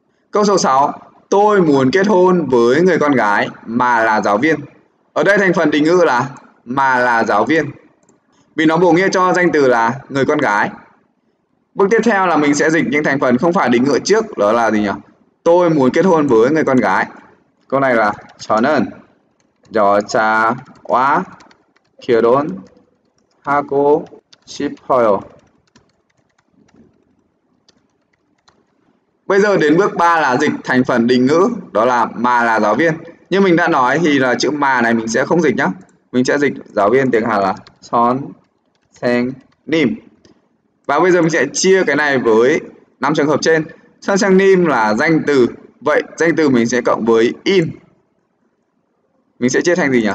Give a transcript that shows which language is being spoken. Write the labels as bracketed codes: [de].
[vi] Câu số 6, tôi muốn kết hôn với người con gái mà là giáo viên. Ở đây thành phần định ngữ là mà là giáo viên, vì nó bổ nghĩa cho danh từ là người con gái. Bước tiếp theo là mình sẽ dịch những thành phần không phải định ngữ trước, đó là gì nhỉ? Tôi muốn kết hôn với người con gái. Câu này là [ko] 저는 여자와 결혼하고 싶어요. [vi] Bây giờ đến bước 3 là dịch thành phần định ngữ, đó là mà là giáo viên. Như mình đã nói thì là chữ mà này mình sẽ không dịch nhé. Mình sẽ dịch giáo viên tiếng Hàn là 선생님. Và bây giờ mình sẽ chia cái này với năm trường hợp trên. Sang sang nim là danh từ, vậy danh từ mình sẽ cộng với in, mình sẽ chia thành gì nhỉ?